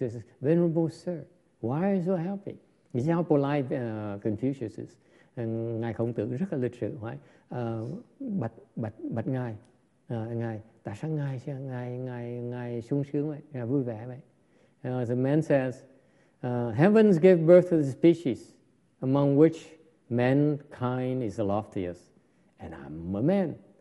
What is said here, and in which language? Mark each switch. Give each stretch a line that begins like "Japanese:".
English: He says, "Venerable sir, why are you so happy?" You see how polite Confucius is.
Vietnamese: And ngài Khổng Tử rất là lịch sự. Why? Bạch ngài, ngài, tại sao ngài chứ? Ngài sung sướng vậy, ngài vui vẻ vậy.
English: The man says, "Heavens gave birth to the species among which mankind is the loftiest, and I'm a man.